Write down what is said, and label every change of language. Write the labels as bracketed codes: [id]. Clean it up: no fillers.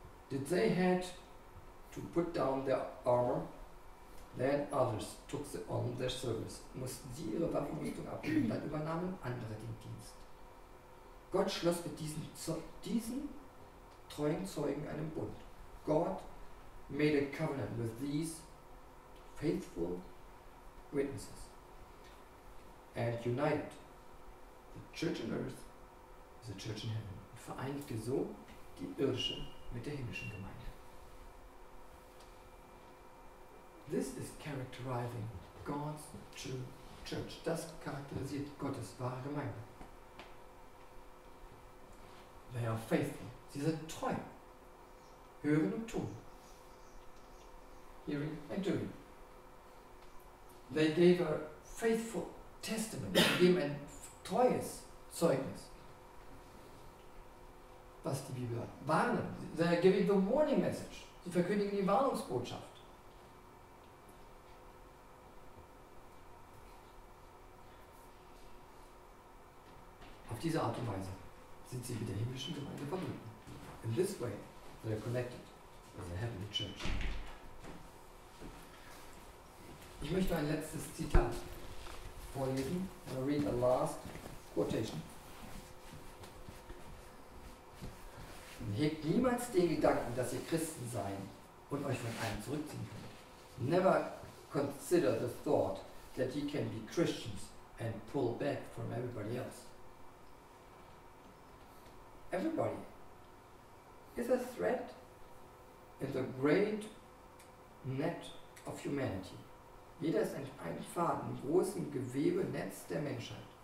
[en] Did they had to put down their armor, then others took on their service. [de] Mussten sie ihre Waffenrüstung abgeben, dann übernahmen andere den Dienst. Gott schloss mit diesen treuen Zeugen einen Bund. [en] God made a covenant with these faithful witnesses and united the church on earth with the church in heaven. [de] Und vereinigte so die irdische mit der himmlischen Gemeinde. [en] This is characterizing God's true church. [de] Das charakterisiert Gottes wahre Gemeinde. [en] They are faithful. [de] Sie sind treu. Hören und tun. [en] Hearing and doing. They gave a faithful testimony. [de] Sie geben ein treues Zeugnis. Was die Bibel sagt. Warnen. [en] They are giving the warning message. [de] Sie verkündigen die Warnungsbotschaft. Auf diese Art und Weise sind sie mit der himmlischen Gemeinde verbunden. [en] In this way, they are connected with the heavenly church. [de] Ich möchte ein letztes Zitat vorlesen. [en] I read a last quotation. [de] Hegt niemals den Gedanken, dass ihr Christen seien und euch von einem zurückziehen könnt. [en] Never consider the thought that you can be Christians and pull back from everybody else. Everybody is a threat in the great net of humanity. [de] Jeder ist ein Faden im großen Gewebenetz der Menschheit.